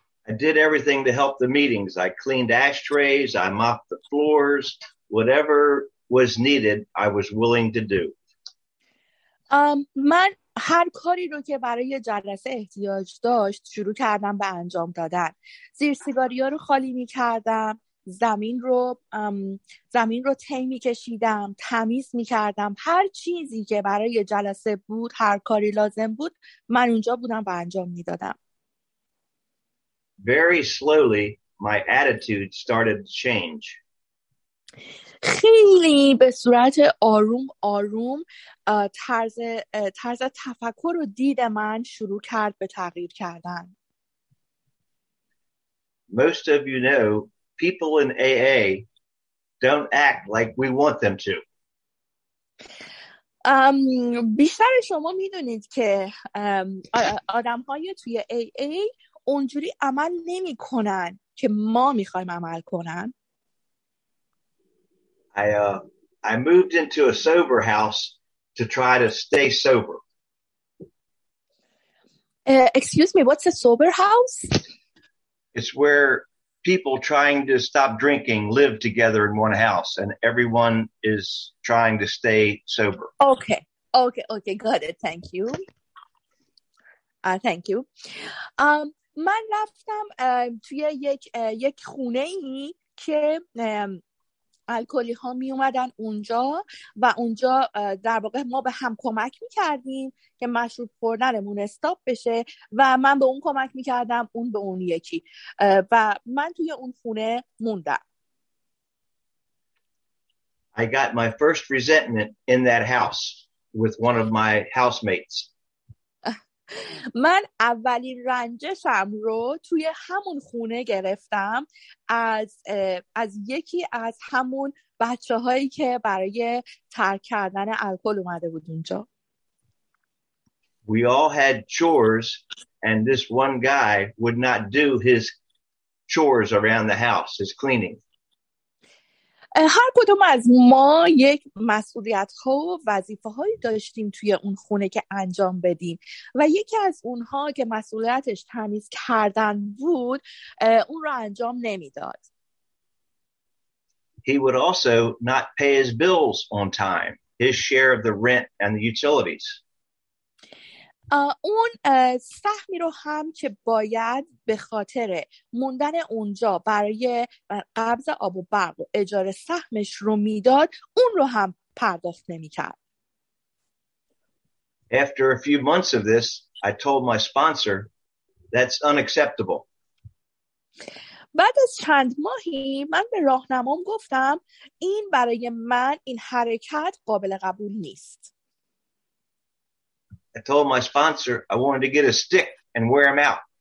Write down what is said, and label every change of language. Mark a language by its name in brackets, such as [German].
[English] I did everything to help the meetings. I cleaned ashtrays, I mopped the floors, whatever was needed, I was willing to do. [Persian] من هر کاری رو که برای جلسه احتیاج داشت شروع کردم به انجام دادن. زیر سیگاری ها رو خالی می کردم، زمین رو تی می کشیدم، تمیز می کردم. هر چیزی که برای جلسه بود، هر کاری لازم بود، من اونجا بودم و انجام می دادم. [English] Very slowly, my attitude started to change. [Persian] خیلی به صورت آروم طرز تفکر و دید من شروع کرد به تغییر کردن. [English] Most of you know, people in AA don't act like we want them to. [Persian] بیشتر شما میدونید که آدم‌های توی AA اونجوری عمل نمی کنن که ما می خواهیم عمل کنن. [English] I moved into a sober house to try to stay sober. Excuse me, what's a sober house? It's where people trying to stop drinking live together in one house and everyone is trying to stay sober. Okay, got it, thank you. Thank you. [Persian] من رفتم توی یک خونه ای که الکلی ها می اومدن اونجا و اونجا در واقع ما به هم کمک می کردیم که مشروب خوردنمون استاپ بشه و من به اون کمک می کردم، اون به اون یکی، و من توی اون خونه موندم. [English] I got my first resentment in that house with one of my housemates. [Persian] من اولین رنجشم رو توی همون خونه گرفتم از یکی از همون بچه هایی که برای ترک کردن الکل اومده بود اونجا. [English] We all had chores and this one guy would not do his chores around the house, his cleaning. [Persian] هر کدوم از ما یک مسئولیت ها و وظیفه هایی داشتیم توی اون خونه که انجام بدیم و یکی از اونها که مسئولیتش تمیز کردن بود اون رو انجام نمیداد. [English] He would also not pay his bills on time, his share of the rent and the utilities. [Persian] اون سهمی رو هم که باید به خاطر موندن اونجا برای قبض آب و برق و اجاره سهمش رو میداد، اون رو هم پرداخت نمی کرد. [English] After a few months of this, I told my sponsor, that's unacceptable. [Persian] بعد از چند ماهی من به راهنمام گفتم این برای من این حرکت قابل قبول نیست. [English] I told my sponsor I wanted to get a stick and wear him out.